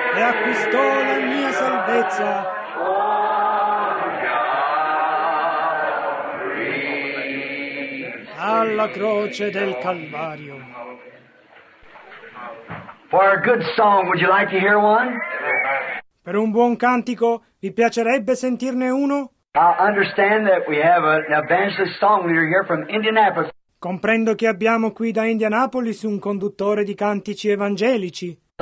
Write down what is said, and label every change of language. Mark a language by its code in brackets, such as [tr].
[it] Acquistò la mia salvezza alla croce del Calvario. [en] For a good song, would you like to hear one? [it] Per un buon cantico, vi piacerebbe sentirne uno? [en] I understand that we have an evangelist song leader here from Indianapolis. [it] Comprendo che abbiamo qui da Indianapolis un conduttore di cantici evangelici.